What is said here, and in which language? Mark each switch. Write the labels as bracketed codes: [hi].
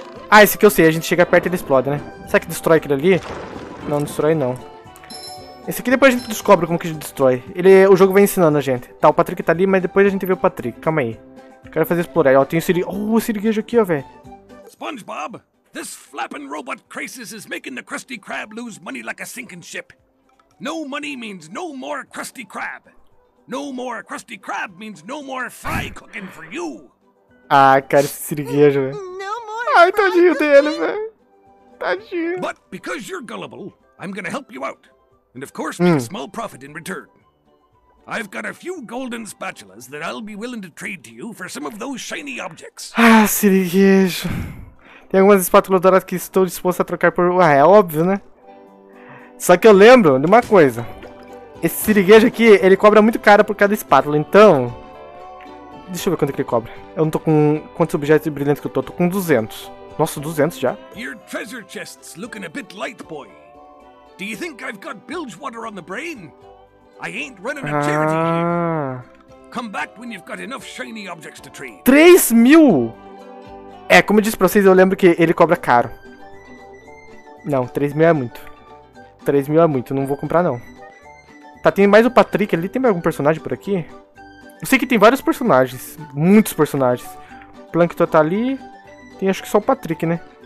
[pt] Ah, esse aqui eu sei. A gente chega perto e ele explode, né? Será que destrói aquele ali? Não, destrói não. Esse aqui depois a gente descobre como que a gente destrói. Ele, o jogo vai ensinando a gente. Tá, o Patrick tá ali, mas depois a gente vê o Patrick. Calma aí. Quero fazer explorar. Ó, tem o siriguejo aqui, ó, velho. [en] SpongeBob, this flapping robot Crasis is making the Krusty Krab lose money like a sinking ship. No money means no more Krusty Krab. No more Krusty Krab means no more fry cooking for you. [pt] Ah, cara, esse siriguejo, velho. Ai, tadinho dele, velho. Tadinho. [en] But because you're gullible, I'm gonna help you out. And of course, a small profit in return. I've got a few golden spatulas that I'll be willing to trade to you for some of those shiny objects. [pt] Ah, siriguejo. Tem algumas espátulas douradas que estou disposto a trocar por... Ah, é óbvio, né? Só que eu lembro de uma coisa. Esse siriguejo aqui, ele cobra muito caro por cada espátula, então... Deixa eu ver quanto que ele cobra. Eu não tô com... Quantos objetos brilhantes que eu tô? Tô com 200. Nossa, 200 já? [en] Your treasure chest's looking a bit light, boy. Do you think I've got bilge water on the brain? I ain't running a charity here. Come back when you've got enough shiny objects to trade. [pt] 3 mil? É, como eu disse pra vocês, eu lembro que ele cobra caro. Não, 3 mil é muito. 3 mil é muito, não vou comprar não. Tá, tem mais o Patrick ali, tem mais algum personagem por aqui? Eu sei que tem vários personagens, muitos personagens. Plankton tá ali, tem acho que só o Patrick, né?